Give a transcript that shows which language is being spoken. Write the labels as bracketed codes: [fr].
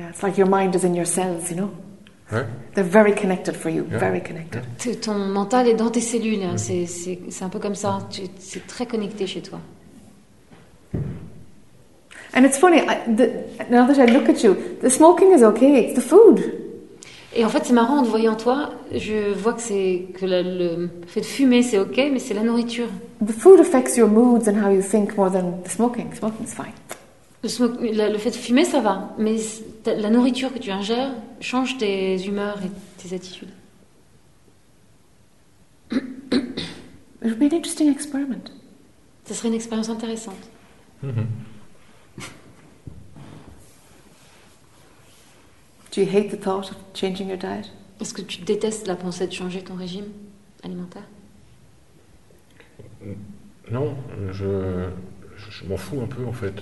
[en] Yeah, it's like your mind is in your cells, you know. [fr] Ouais. [en] They're very connected for you. Yeah. Very connected. [fr] Ton mental est dans tes cellules. Hein. Mm-hmm. C'est un peu comme ça. C'est très connecté chez toi. [en] And it's funny. Now that I look at you, the smoking is okay. It's the food. [fr] Et en fait, c'est marrant, en te voyant toi, je vois que c'est que le fait de fumer, c'est ok, mais c'est la nourriture. [en] The food affects your moods and how you think more than the smoking. Smoking is fine. [fr] Le fait de fumer, ça va, mais la nourriture que tu ingères change tes humeurs et tes attitudes. [en] It would be an interesting experiment. [fr] Ça serait une expérience intéressante. [en] Do you hate the thought of changing your diet? [fr] Est-ce que tu détestes la pensée de changer ton régime alimentaire? Non, je m'en fous un peu en fait.